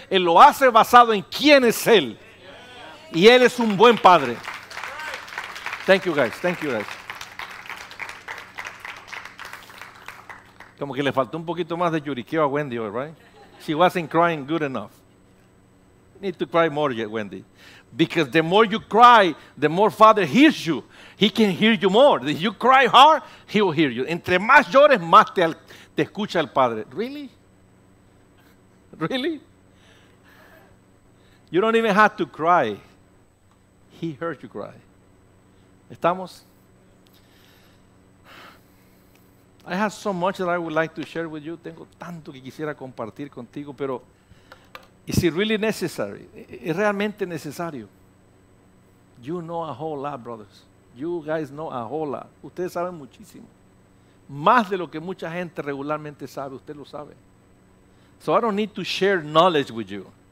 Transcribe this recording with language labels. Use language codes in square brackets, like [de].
[es] Él lo hace basado en quién es Él. Y Él es un buen padre. [en] Thank you guys, thank you guys. [es] Como que le faltó un poquito más de lloriqueo a Wendy hoy, right? [en] She wasn't crying good enough. Need to cry more yet, Wendy. Because the more you cry, the more Father hears you. He can hear you more. If you cry hard, He will hear you. [es] Entre más llores, más te escucha el Padre. [en] Really? Really? You don't even have to cry. He heard you cry. [es] ¿Estamos? [en] I have so much that I would like to share with you. [es] Tengo tanto que quisiera compartir contigo, pero... [en] Is it really necessary? [es] ¿Es realmente necesario? [en] You know a whole lot, brothers. You guys know a whole lot. [es] Ustedes saben muchísimo. Más de lo que mucha gente regularmente sabe, usted lo sabe. [en] So I don't need to share knowledge with you.